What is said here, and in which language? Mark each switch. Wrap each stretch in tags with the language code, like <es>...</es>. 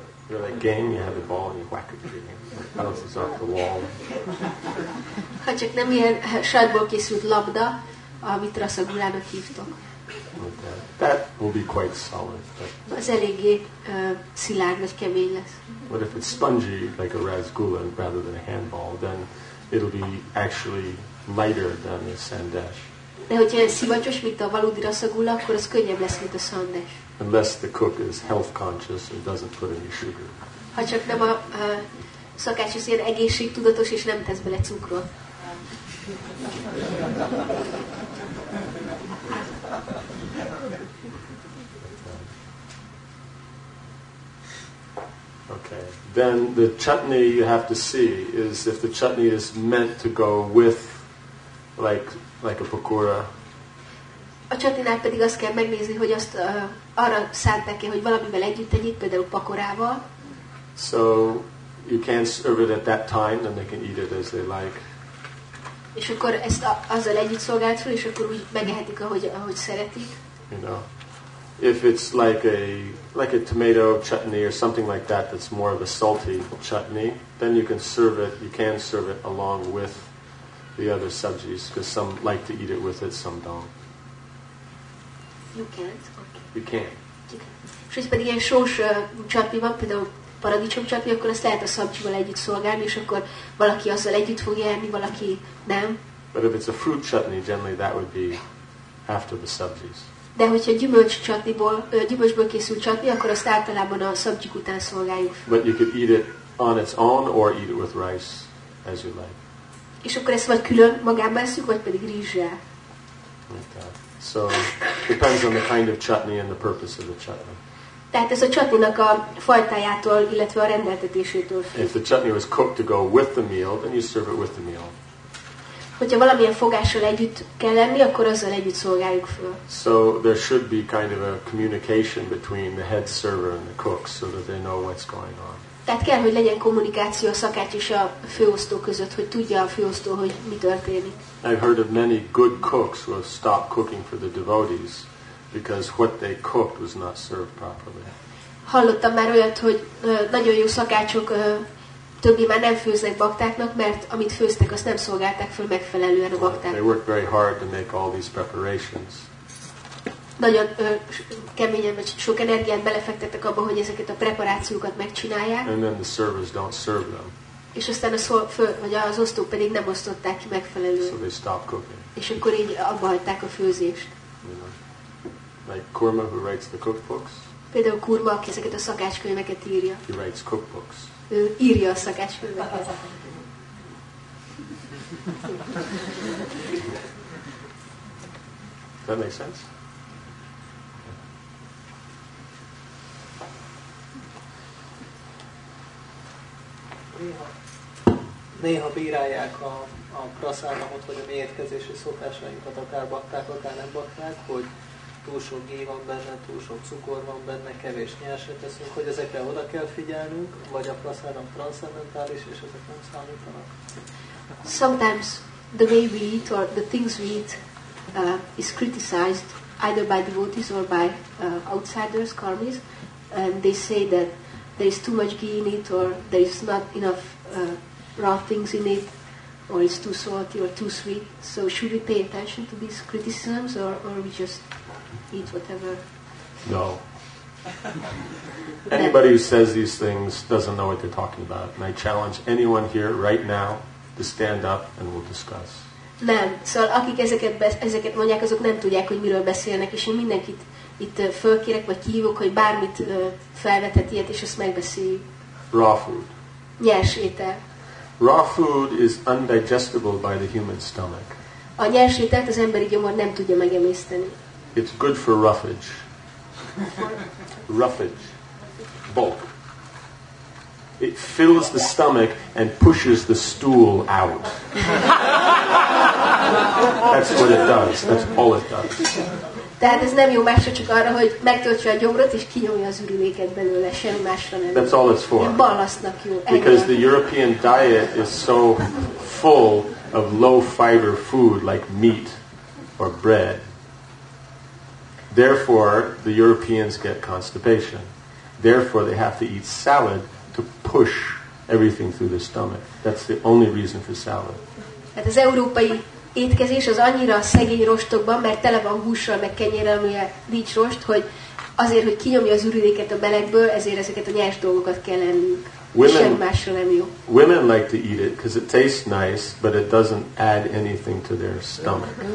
<en>You're like game, you have a ball, and you whack it through the game. Bounces off the wall.</en> <hu>Ha csak nem ilyen sajtból készült labda, amit rasagullának hívtok.</hu> <en>That will be quite solid.</en> <hu>Az eléggé szilárd vagy kemény lesz.</hu> <en>But if it's spongy, like a rasgulla, rather than a handball, then it'll be actually lighter than a sandesh.</en> <hu>De hogyha szivacsos, mint a valódi rasagulla, akkor az könnyebb lesz, mint a sandesh.</hu> <en>Unless the cook is health conscious and doesn't put any sugar.</en> <hu>Ha csak nem a szakács is ilyen egészségtudatos, és nem tesz bele cukrot.</hu> <en>Okay. Then the chutney you have to see is if the chutney is meant to go with, like a pakora.</en> <hu>A chutneynál pedig azt kell megnézni, hogy azt arra szánták-e, hogy valamivel együtt tegyék, például pakorával.</hu> <en>So you can't serve it at that time, and they can eat it as they like.</en> <hu>És akkor ezt azzal együtt szolgált fel, és akkor úgy megehetik, ahogy szeretik.</hu> <en>You know, if it's like a tomato chutney or something like that, that's more of a salty chutney, then you can serve it along with the other sabjis, because some like to eat it with it, some don't. You can't? Okay. You can.</en> <hu>És hogy pedig ilyen sós chutney van, például paradicsom csapni, akkor azt lehet a szabcsival együtt szolgálni, és akkor valaki azzal együtt fog élni, valaki nem.</hu> <en>But if it's a fruit chutney, generally that would be after the sabjis.</en> <hu>De hogyha gyümölcsből készült csapni, akkor azt általában a szabcsik után szolgáljuk.</hu> <en>But you could eat it on its own, or eat it with rice, as you like.</en> <hu>És akkor ezt vagy külön magába eszünk, vagy pedig rizssel.</hu> <en>So, depends on the kind of chutney and the purpose of the chutney.</en> <hu>Tehát ez a chutneynak a fajtájától, illetve a rendeltetésétől függ.</hu> <en>If the chutney was cooked to go with the meal, then you serve it with the meal.</en> <hu>Hogyha valamilyen fogással együtt kell lenni, akkor azzal együtt szolgáljuk föl.</hu> <en>So there should be kind of a communication between the head server and the cook, so that they know what's going on.</en> <hu>Tehát kell, hogy legyen kommunikáció a szakács és a főosztó között, hogy tudja a főosztó, hogy mi történik.</hu> <en>I've heard of many good cooks who have stopped cooking for the devotees, because what they cooked was not served properly.</en> <hu>Hallottam már olyat, hogy nagyon jó szakácsok többi már nem főznek baktáknak, mert amit főztek, azt nem szolgálták föl megfelelően a baktáknak.</hu> <en>They worked very hard to make all these preparations.</en> <hu>Nagyon keményen, vagy sok energiát belefektettek abba, hogy ezeket a preparációkat megcsinálják.</hu> <en>And then the servers don't serve them.</en> <hu>És aztán az osztók pedig nem osztották ki megfelelően.</hu> <en>So they stopped cooking.</en> <hu>És akkor így abba hagyták a főzést.</hu> <en>Like Kurma, who writes the cookbooks.</en> <hu>Például Kurma, aki ezeket a szakácskönyveket írja.</hu> <en>He writes cookbooks.</en> <hu>Ő írja a szakácskönyveket.</hu> <en>That makes sense.</en> <hu>Néha bírálják a praszáramot, vagy a mi érkezési szokásainkat, akár bakták, akár nem bakták, hogy túl sok gé van benne, túl sok cukor van benne, kevés nyerset eszünk, hogy ezekre oda kell figyelnünk, vagy a prasadam transzendentális, és ezek nem számítanak.</hu> <en>Sometimes the way we eat or the things we eat is criticized either by devotees or by outsiders, karmis, and they say that there is too much ghee in it, or there is not enough raw things in it, or it's too salty or too sweet. So should we pay attention to these criticisms, or we just eat whatever? No. Anybody who says these things doesn't know what they're talking about. And I challenge anyone here right now to stand up and we'll discuss.</en> <hu>Nem. Szóval akik ezeket mondják, azok nem tudják, hogy miről beszélnek, és én mindenkit itt fölkérek, vagy kihívok, hogy bármit felvetett ilyet, és ezt megbeszéljük.</hu> <en>Raw food.</en> <hu>Nyers étel.</hu> <en>Raw food is undigestible by the human stomach.</en> <hu>A nyers ételt az emberi gyomor nem tudja megemészteni.</hu> <en>It's good for roughage. Roughage. Bulk. It fills the stomach and pushes the stool out. That's what it does. That's all it does.</en> <hu>Tehát ez nem jó másra, csak arra, hogy megtöltse a gyomrot és kinyomja az ürüléket belőle, semmi másra nem.</hu> <en>That's all it's for.</en> <hu>Egy ballasztnak jó.</hu> <en>Because the European diet is so full of low fiber food like meat or bread. Therefore, the Europeans get constipation. Therefore, they have to eat salad to push everything through the stomach. That's the only reason for salad.</en> <hu>Hát az európai étkezés az annyira szegény rostokban, mert tele van hússal, meg kenyérrel, amilyen nincs rost, hogy azért, hogy kinyomja az ürüléket a belegből, ezért ezeket a nyers dolgokat kell ennünk. Semmi másra nem jó.</hu> <en>Women like to eat it, because it tastes nice, but it doesn't add anything to their stomach.</en>